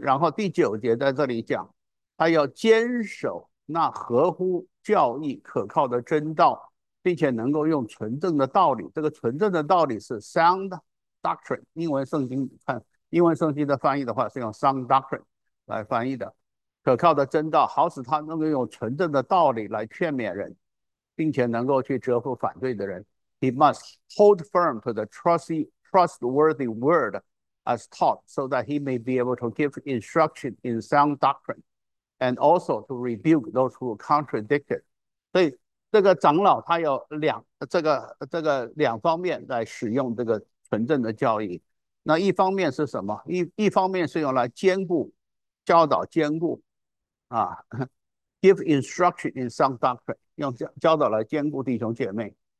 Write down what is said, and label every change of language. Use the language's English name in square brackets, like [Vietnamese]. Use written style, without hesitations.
[Chinese] 然后第九节在这里讲，他要坚守那合乎教义可靠的真道，并且能够用纯正的道理，这个纯正的道理是 sound doctrine，英文圣经看。英文圣经的翻译的话是用 sound doctrine 来翻译的，可靠的真道，好使他能够用纯正的道理来劝勉人，并且能够去折服反对的人。 [English] He must hold firm to the trustworthy word as taught, so that he may be able to give instruction in sound doctrine, and also to rebuke those who contradict it. [Chinese] 所以这个长老他有两方面来使用这个纯正的教义。那一方面是什么？一方面是用来兼顾、教导兼顾，啊， [English] give instruction in sound doctrine， [Chinese] 用教导来兼顾弟兄姐妹。